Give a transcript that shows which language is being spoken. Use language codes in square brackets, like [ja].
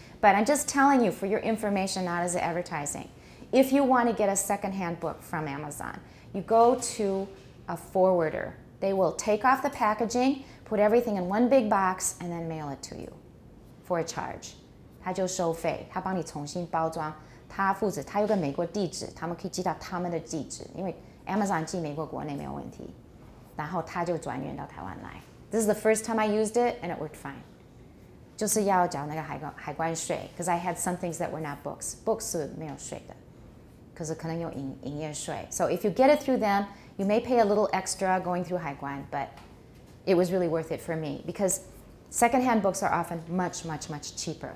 [en] But I'm just telling you for your information, not as advertising. If you want to get a secondhand book from Amazon, you go to a forwarder. They will take off the packaging, put everything in one big box, and then mail it to you for a charge. [zh] 他就收费，他帮你重新包装，他负责，他有个美国地址，他们可以寄到他们的地址，因为Amazon 寄美国国内没有问题，然后他就转运到台湾来。 [en] This is the first time I used it, and it worked fine. [zh] 就是要缴那个海关税 [en] ，because I had some things that were not books. [zh] Books 是没有税的，可是可能有营业税。 [en] So if you get it through them, you may pay a little extra going through 海关, but it was really worth it for me because secondhand books are often much, much, much cheaper.